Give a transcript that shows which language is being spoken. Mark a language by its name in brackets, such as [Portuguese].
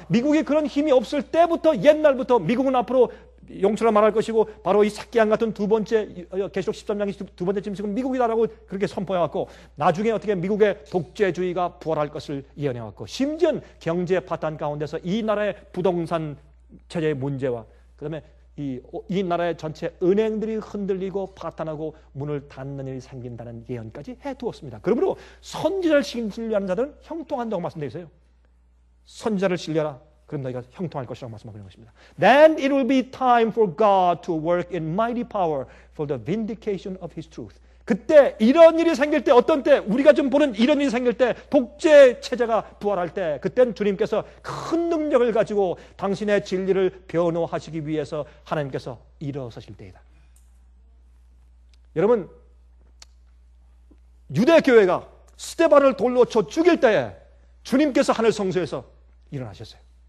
[Korean] 미국이 그런 힘이 없을 때부터 옛날부터 미국은 앞으로 용처럼 말할 것이고 바로 이 새끼양 같은 두 번째 계시록 13장이 두 번째 짐승은 미국이다라고 그렇게 선포해왔고 나중에 어떻게 미국의 독재주의가 부활할 것을 예언해왔고 심지어는 경제 파탄 가운데서 이 나라의 부동산 체제의 문제와 그 다음에 이 나라의 전체 은행들이 흔들리고 파탄하고 문을 닫는 일이 생긴다는 예언까지 해두었습니다. 그러므로 선지자를 신뢰하는 자들은 형통한다고 말씀드리세요. 선지자를 신뢰하라. 그럼 너희가 형통할 것이라고 말씀하시는 것입니다. [English] Then it will be time for God to work in mighty power for the vindication of his truth. [Korean] 그때 이런 일이 생길 때 어떤 때 우리가 좀 보는 이런 일이 생길 때 독재 체제가 부활할 때 그땐 주님께서 큰 능력을 가지고 당신의 진리를 변호하시기 위해서 하나님께서 일어서실 때이다. 여러분 유대교회가 스데반을 돌로 쳐 죽일 때에 주님께서 하늘 성소에서 일어나셨어요.